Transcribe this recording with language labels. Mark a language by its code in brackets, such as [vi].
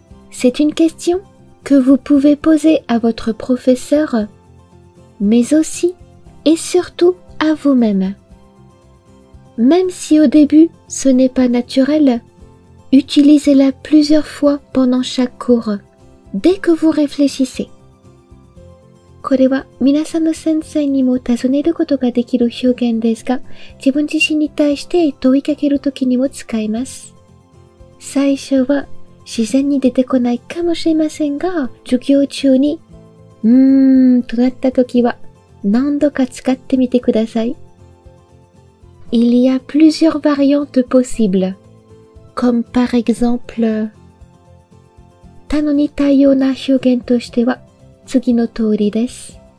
[fr] C'est une question que vous pouvez poser à votre professeur, mais aussi et surtout à vous-même. Même si au début ce n'est pas naturel, utilisez-la plusieurs fois pendant chaque cours, dès que vous réfléchissez. [ja] これは皆さんの先生にも尋ねることができる表現ですが、自分自身に対して問いかけるときにも使えます。最初は自然に出てこないかもしれませんが、授業中に、となった時は何度か使ってみてください。 [fr] Il y a plusieurs variantes possibles, comme par exemple, [ja] 他の似たような表現としては次の通りです。